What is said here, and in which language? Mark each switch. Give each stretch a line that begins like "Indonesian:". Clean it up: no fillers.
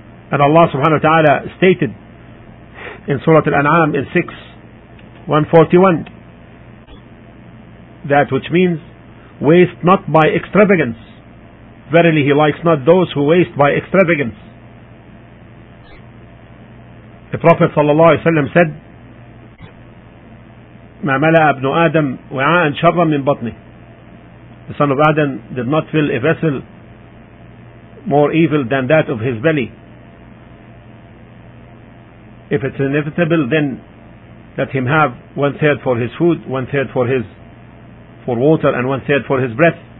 English: And Allah subhanahu wa ta'ala stated in Surah Al-An'am in 6:141, that which means, waste not by extravagance. Verily He likes not those who waste by extravagance. The Prophet sallallahu alayhi wa sallam said,
Arabic: مَا مَلَأَ ابْنُ آدَمْ وِعَاءً شَرًّا مِنْ بَطْنِهِ.
English: The son of Adam did not fill a vessel more evil than that of his belly. If it's inevitable, then let him have 1/3 for his food, 1/3 for his for water, and 1/3 for his breath.